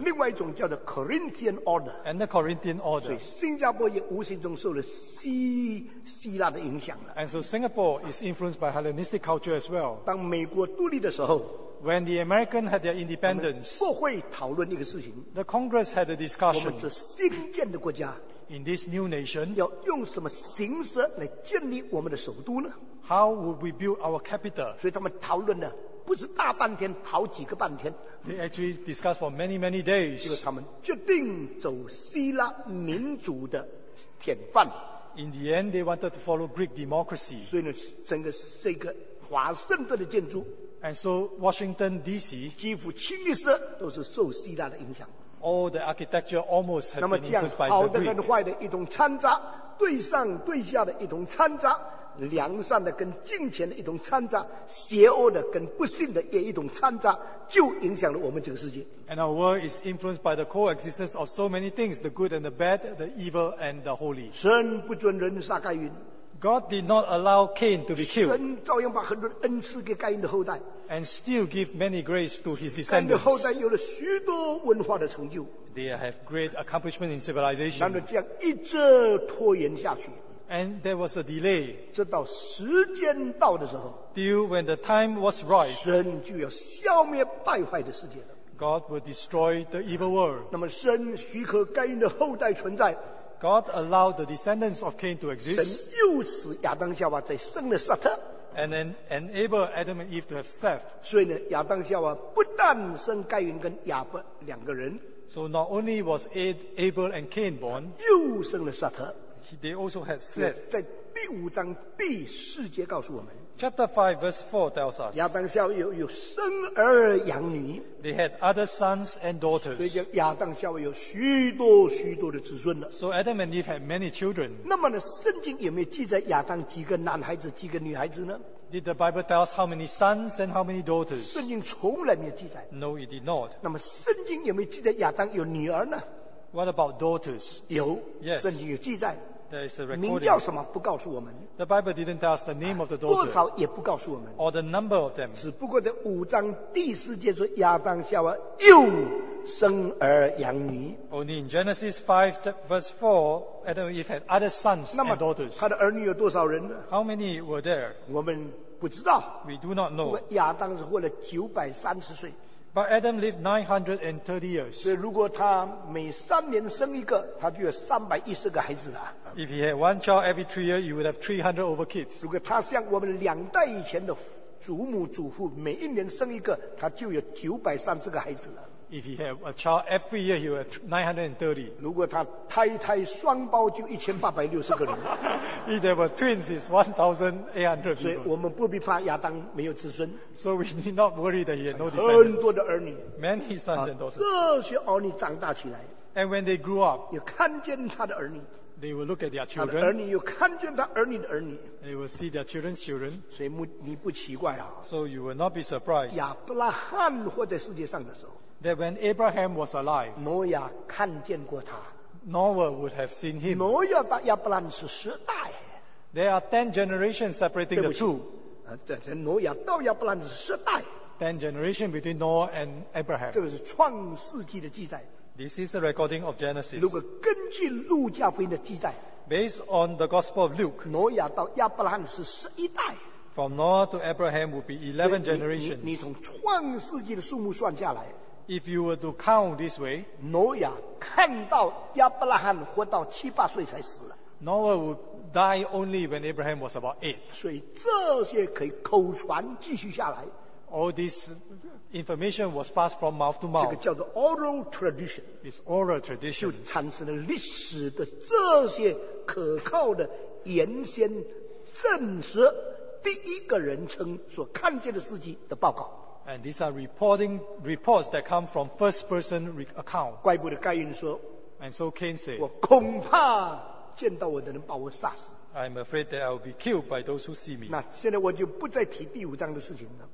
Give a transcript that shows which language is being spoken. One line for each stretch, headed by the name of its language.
Chinese: 另外一种叫做 Corinthian Order.
English: And the Corinthian Order.
Chinese: 所以新加坡也无形中受了希腊的影响了。
English: And so Singapore is influenced by Hellenistic culture as well.
Chinese: 当美国独立的时候
English: ，When the American had their independence,
Chinese: 国会讨论一个事情
English: ，The Congress had a discussion.
Chinese: 我们这新建的国家
English: ，In this new nation,
Chinese: 要用什么形式来建立我们的首都呢？
English: How would we build our capital?
Chinese: 所以他们讨论了不是大半天，好几个半天。
English: They actually discussed for many, many days.
Chinese: 他们决定走希腊民主的典范。
English: In the end, they wanted to follow Greek democracy.
Chinese: 所以呢，整个这个华盛顿的建筑
English: ，and so Washington D.C.
Chinese: 几乎清一色都是受希腊的影响。
English: All the architecture almost had been influenced by the Greek.
Chinese: 那么这样好的跟坏的一同掺杂，对上对下的一同掺杂。良善的跟敬虔的一同掺杂，邪恶的跟不信的也一同掺杂，就影响了我们这个世界。
English: And our world is influenced by the coexistence of so many things, the good and the bad, the evil and the holy.
Chinese: 神不准人杀该隐。
English: God did not allow Cain to be killed.
Chinese: 神照样把很多恩赐给该隐的后代。
English: And still give many grace to his descendants.
Chinese: 该隐的后代有了许多文化的成就。
English: They have great accomplishment in civilization.
Chinese: 然而这样一直拖延下去。
English: And there was a delay.
Chinese: 直到时间到的时候
English: ，till when the time was right,
Chinese: 神就要消灭败坏的世界了。
English: God will destroy the evil world.
Chinese: 那么神许可该隐的后代存在。
English: God allowed the descendants of Cain to exist.
Chinese: 神又使亚当夏娃再生了撒特。
English: And then enable Adam and Eve to have Seth.
Chinese: 所以呢，亚当夏娃不但生该隐跟亚伯两个人。
English: So not only was Abel and Cain born,
Chinese: 又生了撒特。
English: They also had Seth.
Chinese: 在第五章第四节告诉我们
English: ，Chapter 5 verse 4 tells us，
Chinese: 亚当夏娃有生儿养女
English: ，They had other sons and daughters，
Chinese: 所以叫亚当夏娃有许多许多的子孙了。
English: So Adam and Eve had many children。
Chinese: 那么呢，圣经有没有记载亚当几个男孩子、几个女孩子呢
English: ？Did the Bible tell us how many sons and how many daughters？
Chinese: 圣经从来没有记载。
English: No, it did not。
Chinese: 那么圣经有没有记载亚当有女儿呢
English: ？What about daughters？
Chinese: 有，
English: yes，
Chinese: 圣经有记载。
English: There is a recording.
Chinese: 名叫什么不告诉我们
English: The Bible didn't tell us the name of the daughter
Chinese: 多少也不告诉我们
English: Or the number of them
Chinese: 只不过在五章第四节说亚当夏娃又生儿养女
English: Only in Genesis 5 verse 4 Adam and Eve had other sons and daughters
Chinese: 他的儿女有多少人
English: How many were there
Chinese: 我们不知道
English: We do not know
Chinese: 亚当是活了930岁
English: But Adam lived 930 years
Chinese: 所以如果他每三年生一个他就有310个孩子了
English: If he had one child every 3 years, you would have 300 over kids.
Chinese: 如果他像我们两代以前的祖母祖父，每一年生一个，他就有930个孩子了。
English: If he had a child every year, he would have 930.
Chinese: 如果他胎胎双胞，就1860个人。
English: If there were twins, it's 1,800 people.
Chinese: 所以我们不必怕亚当没有子孙。
English: So we need not worry that he had no descendants.
Chinese: 很多的儿女
English: ，many sons and daughters.
Chinese: 这些儿女长大起来
English: ，and when they grew up,
Chinese: 也看见他的儿女。
English: They will look at their children.
Chinese: 他的儿女又看见他儿女的儿女。
English: They will see their children's children.
Chinese: 所以你不奇怪啊。
English: So you will not be surprised.
Chinese: 亚伯拉罕活在世界上的时候。
English: That when Abraham was alive.
Chinese: 挪亚看见过他。
English: Noah would have seen him.
Chinese: 挪亚把亚伯兰是十代。
English: There are 10 generations separating the two.
Chinese: 对，挪亚到亚伯兰是十代。
English: 10 generations between Noah and Abraham.
Chinese: 这个是创世纪的记载。
English: This is a recording of Genesis.
Chinese: 如果根据路加福音的记载
English: ，based on the Gospel of Luke，
Chinese: 挪亚到亚伯拉罕是11代。
English: From Noah to Abraham would be 11 generations.
Chinese: 你从创世纪的数目算下来
English: ，if you were to count this way，
Chinese: 挪亚看到亚伯拉罕活到七八岁才死了。
English: Noah would die only when Abraham was about 8。
Chinese: 所以这些可以口传继续下来。
English: All this information was passed from mouth to mouth.
Chinese: 这个叫做 oral tradition.
English: This oral tradition
Chinese: 就产生了历史的这些可靠的原先证实第一个人称所看见的事迹的报告。
English: And these are reporting reports that come from first person account.
Chinese: 怪不得该隐说。
English: And so Cain said,
Chinese: 我恐怕见到我的人把我杀死。
English: I'm afraid that I will be killed by those who see me.
Chinese: 那现在我就不再提第五章的事情了。